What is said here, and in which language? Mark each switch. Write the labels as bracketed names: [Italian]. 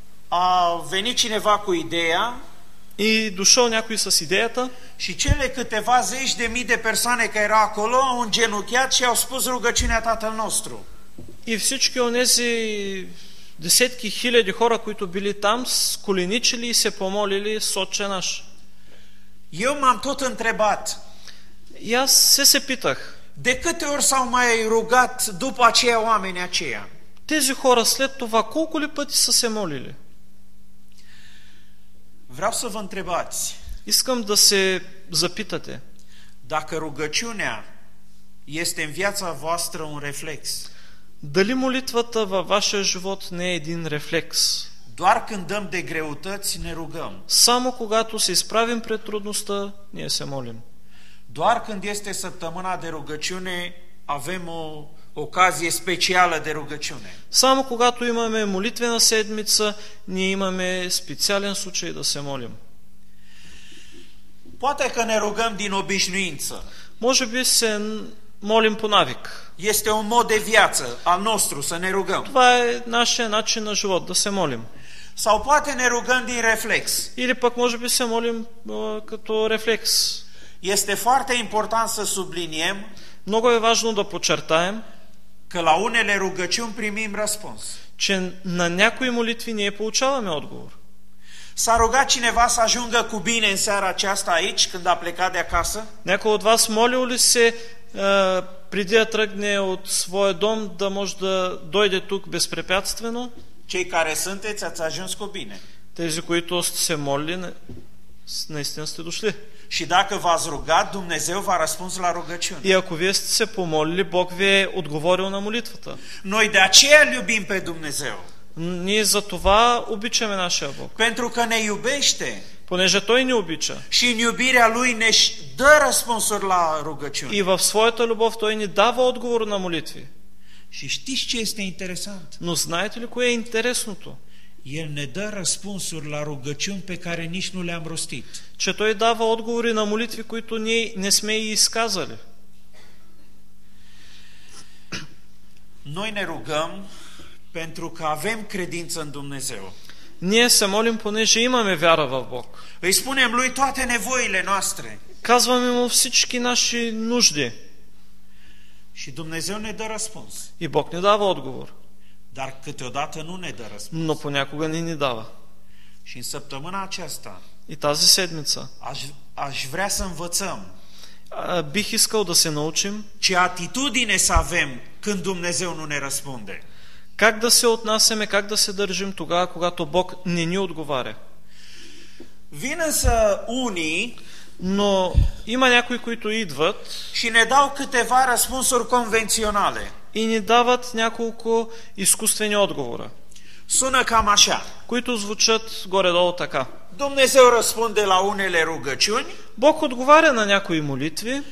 [Romanian] А вени cineva cu ideea [Bulgarian] и дошъл някой с идеята. [Romanian] Și cele câteva zeci de mii de persoane care erau acolo au îngenunchiat și au spus rugăciunea Tatăl nostru. [Bulgarian] И всички онези десетки хиляди хора, които били там, сколеничили и се помолили с Отче наш. [Romanian] Eu m-am tot întrebat. [Bulgarian] И аз се питах. [Romanian] De câte ori s-au mai rugat după aceia oameni aceia? [Bulgarian] Тези хора след това колко ли пъти са се молили? [Romanian] Vreau să vă întrebați. [Bulgarian] Искам да се запитате. [Romanian] Dacă rugăciunea este în viața voastră un reflex. [Bulgarian] Дали молитвата във вашия живот не е един рефлекс? [Romanian] Doar când dăm de greutăți, ne rugăm. [Bulgarian] Само когато се изправим пред трудността, ние се молим. [Romanian] Doar când este săptămâna de rugăciune, avem o ocazie specială de rugăciune. [Bulgarian] Само когато имаме молитвена седмица, ние имаме специален случай да се молим. [Romanian] Poate că ne rugăm din obișnuință. [Bulgarian] Може би се молим по навик. [Romanian] Este un mod de viață al nostru să ne rugăm. [Bulgarian] Това е нашия начин на живот да се молим. [Romanian] Sau poate ne rugăm din reflex. [Bulgarian] Или пък може би се молим като рефлекс. [Romanian] Este foarte important să subliniem. [Bulgarian] Много е важно да подчертаем, [Romanian] că la unele rugăciuni primim răspuns. [Bulgarian] Че на някои молитви ние получаваме отговор. [Romanian] S-a rugat cineva să ajungă cu bine în seara aceasta aici, când a plecat de acasă? [Bulgarian] Някой от вас молил ли се преди да тръгне от своя дом да може да дойде тук безпрепятствено? [Romanian] Cei care sunteți, ați ajuns cu bine. [Bulgarian] Тези, които сте се молили, наистина сте дошли. [Romanian] Și dacă v-ați rugat, Dumnezeu v-a răspuns la rugăciune. [Bulgarian] И ако вие сте се помолили, Бог ви е отговорил на молитвата. [Romanian] Noi de aceea iubim pe Dumnezeu. [Bulgarian] Ние за това обичаме нашия Бог. [Romanian] Pentru că ne iubește. [Bulgarian] Понеже Той ни обича. [Romanian] Și în iubirea Lui ne dă răspunsuri la rugăciune. [Bulgarian] И в своята любов Той ни дава отговор на молитви. [Romanian] Și știți ce este interesant? [Bulgarian] Но знаете ли кое е интересното? [Romanian] El ne dă răspunsuri la rugăciuni pe care nici nu le-am rostit. [Bulgarian] Че Той дава отговори на молитви, които ние не сме и изказали. [Romanian] Noi ne rugăm pentru că avem credință în Dumnezeu. [Bulgarian] Ние се молим, понеже имаме вяра в Бог. [Romanian] Îi spunem Lui toate nevoile noastre. [Bulgarian] Казваме Му всички наши нужди. [Romanian] Și Dumnezeu ne dă răspuns. [Bulgarian] И Бог ни дава отговор. [Romanian] Dar câteodată nu ne dă răspuns. [Bulgarian] Но понякога не ни дава. [Romanian] Și în săptămâna aceasta. [Bulgarian] И тази седмица. [Romanian] Aș vrea să învățăm. [Bulgarian] Bih искал да се научим. [Romanian] Ce atitudine să avem când Dumnezeu nu ne răspunde. [Bulgarian] Как да се отнасяме, как да се държим тогава, когато Бог не ни отговаря. [Romanian] Vine să unii. [Bulgarian] Но има някои, които идват. [Romanian] Și ne dau câteva răspunsuri convenționale. [Bulgarian] И ни дават няколко изкуствени отговора. [Romanian] Sună cam așa. [Bulgarian] Които звучат горе-долу така. [Romanian] Dumnezeu răspunde la unele rugăciuni. [Bulgarian] Бог отговаря на някои молитви.